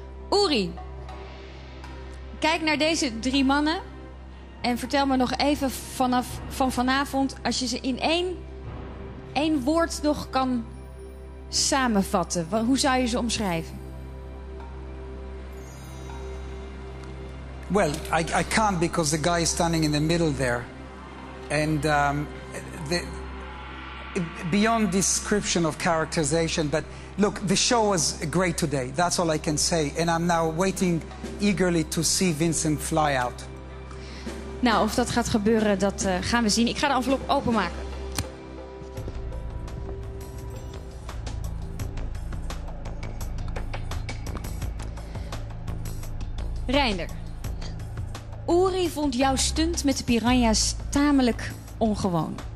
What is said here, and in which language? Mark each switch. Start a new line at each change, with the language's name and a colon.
Dutch: Uri, kijk naar deze drie mannen en vertel me nog even vanavond, als je ze in één woord nog kan samenvatten. Hoe zou je ze omschrijven?
English: Well, I can't because the guy is standing in the middle there. And beyond description of characterization, but look, the show was great today. That's all I can say. And I'm now waiting eagerly to see Vincent fly out.
Dutch: Nou, of dat gaat gebeuren, dat gaan we zien. Ik ga de envelop openmaken. Reinder. Uri vond jouw stunt met de piranha's tamelijk ongewoon.